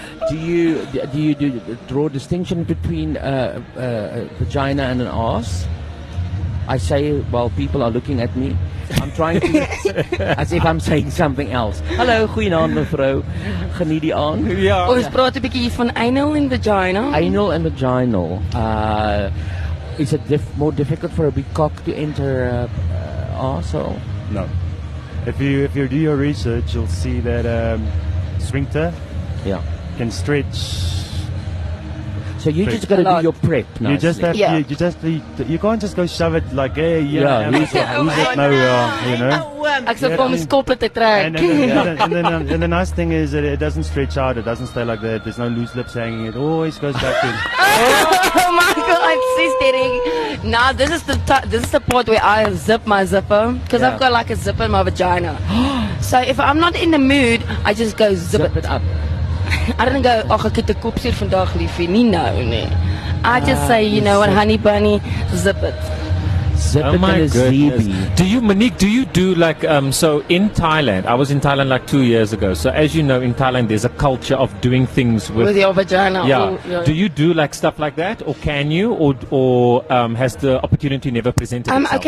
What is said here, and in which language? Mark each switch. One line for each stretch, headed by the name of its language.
English: Do you draw distinction between a vagina and an ass? I say while people are looking at me. I'm trying to as if I'm saying something else.
Afrikaans: Hallo, goeienaand mevrou. Geniet die aand. Ja. Ons praat 'n bietjie van
English: anal and vagina. Anal and vagina. Is it more difficult for a big cock to enter asshole? No. If you do your research, you'll see that sphincter. Yeah. Can stretch. So you just got to do your prep. Nicely. You just have to. You just. You can't just go shove it like, hey, yeah, use it. No, you know. And the nice thing is that it doesn't stretch out. It doesn't stay like that. There's no loose lips hanging. It always goes back in. Oh my God, she's kidding. Now this is the part where I zip my zipper because I've got like a zipper in my vagina. So if I'm not in the mood, I just go zip it up. I don't go, oh,
Afrikaans: ek het 'n koopseer vandag, liefie. Nie nou nie.
English: I just say, you know what, honey bunny, zip it. Zip it in a ZB. Do you, Monique, do you do like, so in Thailand, I was in Thailand like 2 years ago. So as you know, in Thailand, there's a culture of doing things with your vagina. Yeah. Do you do like stuff like that or can you or has the opportunity never presented itself?